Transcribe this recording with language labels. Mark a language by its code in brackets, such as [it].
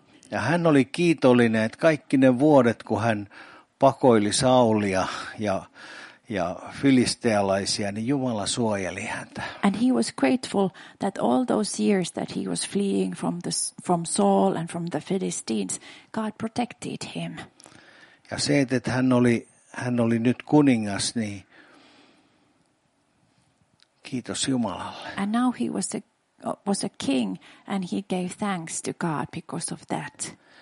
[fi] Ja hän oli kiitollinen, että kaikki ne vuodet, kun hän pakoili Saulia ja filistealaisia, niin Jumala suojeli häntä. [en] And he was grateful that all those years that he was fleeing from Saul and from the Philistines, God protected him. [fi] Ja se, että hän oli nyt kuningas, niin kiitos Jumalalle. [en] And now he was a king and he gave thanks to God because of that.